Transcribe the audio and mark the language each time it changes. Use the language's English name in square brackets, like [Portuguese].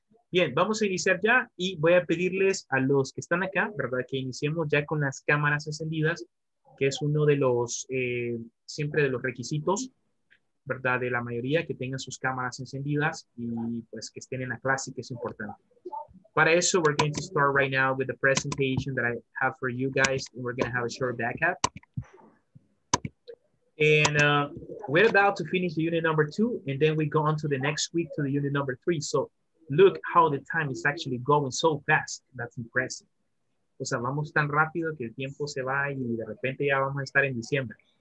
[Spanish] Bien, vamos a iniciar ya y voy a pedirles a los que están acá, ¿verdad? Que iniciemos ya con las cámaras encendidas, que es uno de los, siempre de los requisitos, ¿verdad? De la mayoría que tengan sus cámaras encendidas y pues que estén en la clase, que es importante. Para eso, [English] we're going to start right now with the presentation that I have for you guys. And we're going to have a short backup. And we're about to finish the unit number 2, and then we go on to the next week to the unit number 3. So look how the time is actually going so fast. That's impressive. [Spanish] O sea, vamos tan rápido que el tiempo se va y de repente ya vamos a estar en diciembre.